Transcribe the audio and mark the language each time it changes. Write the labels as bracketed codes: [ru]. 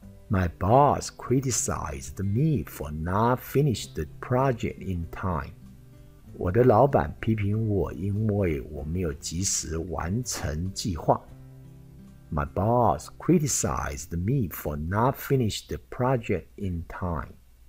[en] My boss criticized me for not finishing the project in time. [zh] 我的老板批评我因为我没有及时完成计划。 [en] My boss criticized me for not finishing the project in time.